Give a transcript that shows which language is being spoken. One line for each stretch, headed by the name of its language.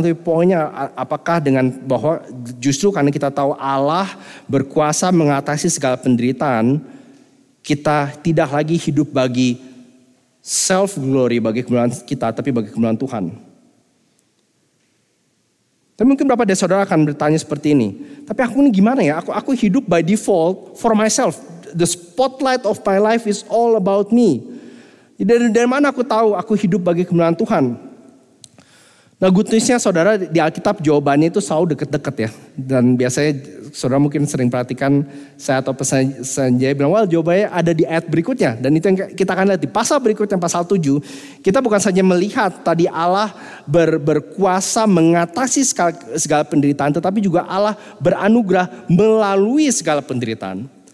Indonesian: Tapi poinnya apakah dengan bahwa justru karena kita tahu Allah berkuasa mengatasi segala penderitaan, kita tidak lagi hidup bagi self glory, bagi kemuliaan kita, tapi bagi kemuliaan Tuhan. Tapi mungkin beberapa dari saudara akan bertanya seperti ini. Tapi aku ini gimana ya? Aku hidup
English: by default for myself. The spotlight of my life is all about me.
Indonesian: Dari mana aku tahu aku hidup bagi kemuliaan Tuhan? Nah, good news-nya saudara, di Alkitab jawabannya itu selalu dekat-dekat ya. Dan biasanya saudara mungkin sering perhatikan saya atau pesan Sanjay bilang, well, jawabannya ada di ayat berikutnya. Dan itu yang kita akan lihat di pasal berikutnya, pasal 7. Kita bukan saja melihat tadi Allah berkuasa mengatasi segala penderitaan, tetapi juga Allah beranugerah melalui segala penderitaan.